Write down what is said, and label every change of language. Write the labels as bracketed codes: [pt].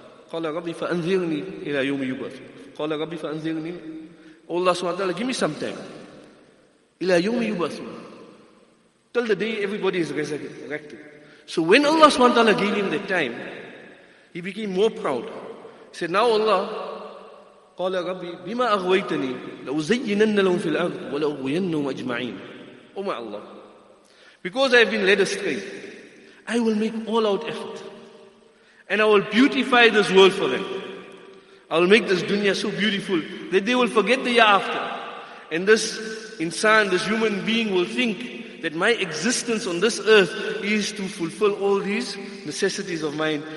[ar] قَالَ رَبِّ فَأَنْذِرْنِي إِلَى يَوْمِ يُبْعَثُ. قَالَ رَبِّ فَأَنْذِرْنِي. [en] Oh Allah subhanahu wa ta'ala, give me some time. [ar] إِلَى يَوْمِ يُبْعَثُ. [en] Till the day everybody is resurrected. So when Allah subhanahu wa ta'ala gave him that time, he became more proud. He said, now Allah, [ar] قَالَ رَبِّ بِمَا أَغْوَيْتَنِي لَأُزَيِّنَنَّ لَهُمْ فِي الْأَرْضِ وَلَأُغْوِيَنَّهُمْ أَجْمَعِينَ. [en] Oh my Allah, because I have been led astray, I will make all out effort. And I will beautify this world for them. I will make this dunya so beautiful that they will forget the year after. And this insan, this human being will think that my existence on this earth is to fulfill all these necessities of mine.